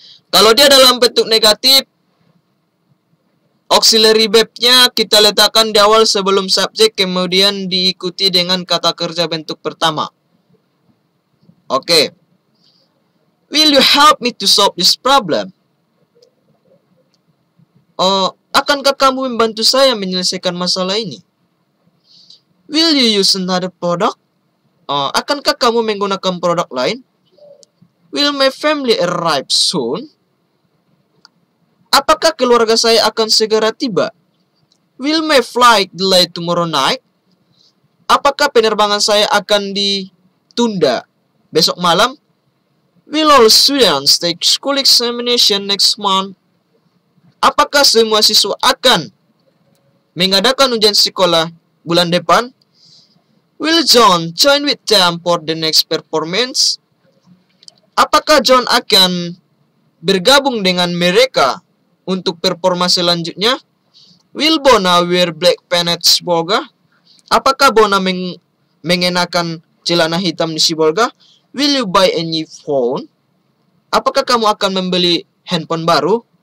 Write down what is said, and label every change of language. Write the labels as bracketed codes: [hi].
[id] Kalau dia dalam bentuk negatif, auxiliary verb-nya kita letakkan di awal sebelum subjek, kemudian diikuti dengan kata kerja bentuk pertama. Oke. [en] Will you help me to solve this problem? [id] Akankah kamu membantu saya menyelesaikan masalah ini? [en] Will you use another product? [id] Akankah kamu menggunakan produk lain? [en] Will my family arrive soon? [id] Apakah keluarga saya akan segera tiba? [en] Will my flight delay tomorrow night? [id] Apakah penerbangan saya akan ditunda besok malam? [en] Will all students take school examination next month? [id] Apakah semua siswa akan mengadakan ujian sekolah bulan depan? [en] Will John join with them for the next performance? [id] Apakah John akan bergabung dengan mereka untuk performa selanjutnya? [en] Will Bona wear black pants Sibolga? [id] Apakah Bona mengenakan celana hitam di Sibolga? [en] Will you buy a new phone? [id] Apakah kamu akan membeli handphone baru?